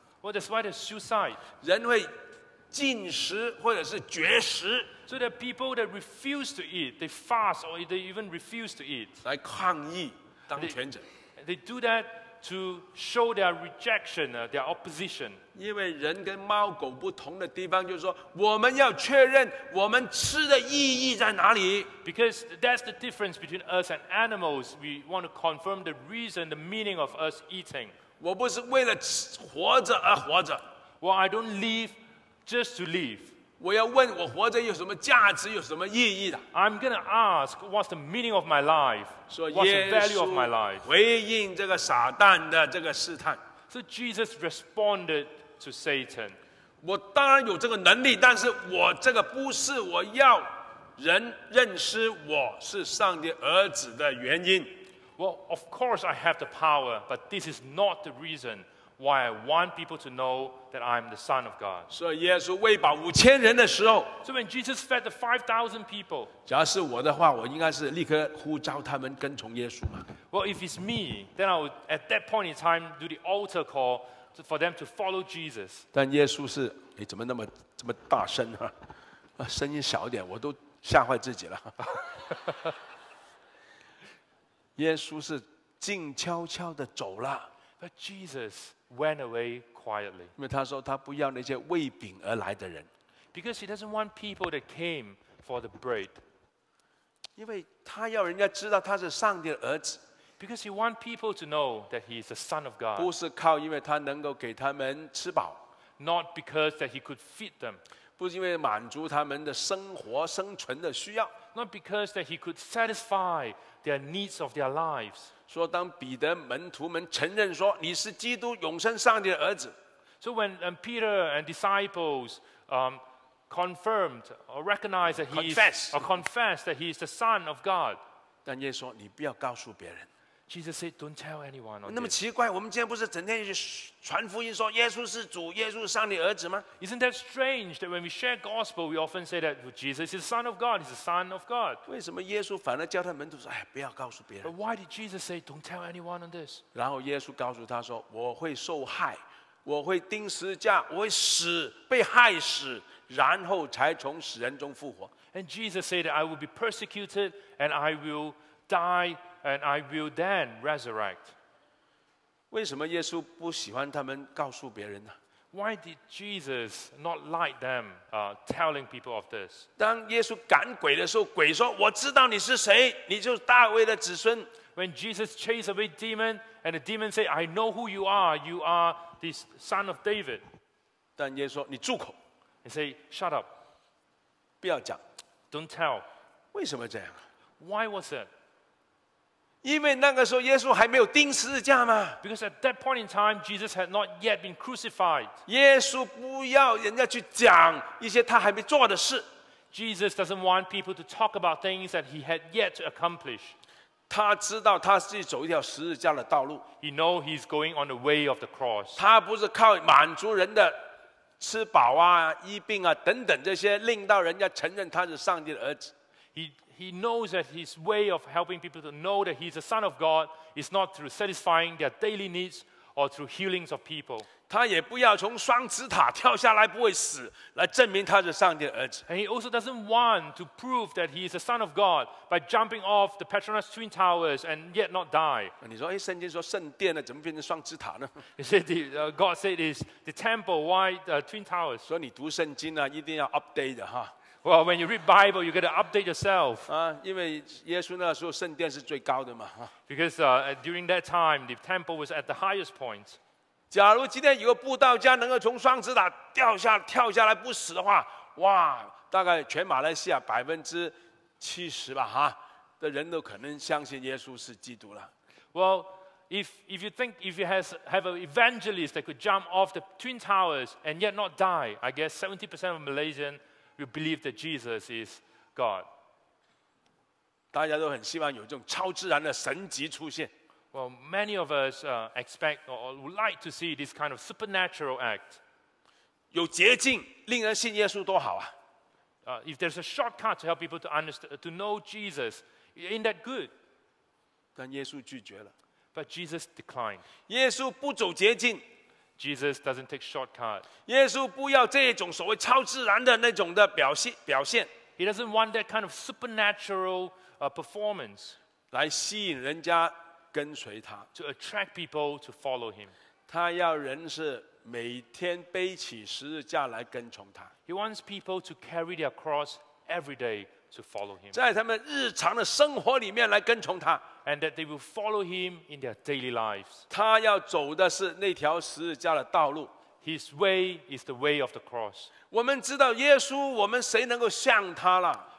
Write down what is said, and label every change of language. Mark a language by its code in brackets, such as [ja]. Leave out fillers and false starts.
[en] Well, that's why there's suicide. [zh] 人会。禁食或者是绝食 [en] ，so there are people that refuse to eat, they fast or they even refuse to eat. [zh] 来抗议当权者 [en] ，they do that to show their rejection, their opposition. [zh] 因为人跟猫狗不同的地方就是说，我们要确认我们吃的意义在哪里。 [en] Because that's the difference between us and animals. We want to confirm the reason, the meaning of us eating. [zh] 我不是为了活着而活着。 [en] Well, I don't live. Just to live. [zh] 我要问我活着有什么价值，有什么意义的。 [en] I'm gonna ask what's the meaning of my life. What's the value of my life? [zh] 回应这个撒旦的这个试探。 [en] So Jesus responded to Satan. [zh] 我当然有这个能力，但是我这个不是我要人认识我是上帝儿子的原因。 [en] Well, of course I have the power, but this is not the reason. Why I want people to know that I'm the Son of God. [zh] So, 耶稣喂饱五千人的时候 [en] ，So when Jesus fed the 5,000 people, [zh] 假如是我的话，我应该是立刻呼召他们跟从耶稣嘛。 [en] Well, if it's me, then I would at that point in time do the altar call for them to follow Jesus. [zh] 但耶稣是，哎，怎么那么这么大声啊？啊，声音小一点，我都吓坏自己了。耶稣是静悄悄的走了。 [en] But Jesus. Went away quietly. [zh] 因为他说他不要那些喂饼而来的人。 [en] Because he doesn't want people that came for the bread. [zh] 因为他要人家知道他是上帝的儿子。 [en] Because he wants people to know that he is the son of God. [zh] 不是靠因为他能够给他们吃饱。 [en] not because that he could feed them. [zh] 不是因为满足他们的生活生存的需要。 [en] Not because that he could satisfy their needs of their lives. [zh] 说当彼得门徒们承认说你是基督永生上帝的儿子。 [en] So when Peter and disciples confirmed or recognized that he is, confessed. Or confessed that he is the Son of God. [zh] 但耶稣说你不要告诉别人。 [en] Jesus said, "Don't tell anyone." [zh] 那么奇怪，我们今天不是整天传福音说耶稣是主，耶稣是上帝儿子吗？ [en] Isn't that strange that when we share gospel, we often say that Jesus is the Son of God. He's the Son of God. [zh] 为什么耶稣反而叫他门徒说，哎，不要告诉别人？ [en] But why did Jesus say, "Don't tell anyone on this"? [zh] 然后耶稣告诉他说，我会受害，我会钉十字架，我会死，被害死，然后才从死人中复活。 [en] And Jesus said, "I will be persecuted, and I will die." And I will then resurrect. [zh] 为什么耶稣不喜欢他们告诉别人呢？ [en] Why did Jesus not like them telling people of this? [zh] 当耶稣赶鬼的时候，鬼说：“我知道你是谁，你就是大卫的子孙。” [en] When Jesus chased away demon, and the demon said, "I know who you are the son of David." [zh] 但耶稣说：“你住口。” [en] He said, "Shut up." [zh] 不要讲。 [en] Don't tell. [zh] 为什么这样？ [en] Why was it? [zh] 因为那个时候耶稣还没有钉十字架嘛。 [en] Because at that point in time, Jesus had not yet been crucified. [zh] 耶稣不要人家去讲一些他还没做的事。 [en] Jesus doesn't want people to talk about things that he had yet to accomplish. [zh] 他知道他自己走一条十字架的道路。 [en] He knows he's going on the way of the cross. [zh] 他不是靠满足人的吃饱啊、医病啊等等这些，令到人家承认他是上帝的儿子。 [en] He knows that his way of helping people to know that he's the Son of God is not through satisfying their daily needs or through healings of people. [zh] 他也不要从双子塔跳下来不会死来证明他是上帝的儿子。 [en] And he also doesn't want to prove that he is the Son of God by jumping off the Petronas Twin Towers and yet not die. [zh] 你说，哎，圣经说圣殿呢，怎么变成双子塔呢？ [en] He said, God said it's the temple, why the Twin Towers? [zh] 所以你读圣经呢，一定要 update 的哈。 [en] Well, when you read Bible, you got to update yourself. [zh] 因为耶稣那时候圣殿是最高的嘛。 [en] Because during that time, the temple was at the highest point. [zh] 假如今天有个布道家能够从双子塔跳下来不死的话，哇，大概全马来西亚70%吧，哈，的人都可能相信耶稣是基督了。 [en] Well, if you think if you have an evangelist that could jump off the Twin Towers and yet not die, I guess 70% of Malaysians. You believe that Jesus is God. [zh] 大家都很希望有这种超自然的神迹出现。 [en] Well, many of us expect or would like to see this kind of supernatural act. [zh] 有捷径，令人信耶稣多好啊！ [en] If there's a shortcut to help people to understand to know Jesus, ain't that good? [zh] 但耶稣拒绝了。 [en] But Jesus declined. [zh] 耶稣不走捷径。 [en] Jesus doesn't take shortcut. [zh] 耶稣不要这种所谓超自然的那种的表现。 [en] He doesn't want that kind of supernatural performance. [zh] 来吸引人家跟随他。 [en] To attract people to follow him. [zh] 他要人是每天背起十字架来跟从他。 [en] He wants people to carry their cross every day to follow him. [zh] 在他们日常的生活里面来跟从他。 [en] And that they will follow him in their daily lives. [zh] 他要走的是那条十字架的道路。 [en] His way is the way of the cross. [zh] 我们知道耶稣，我们谁能够像他了？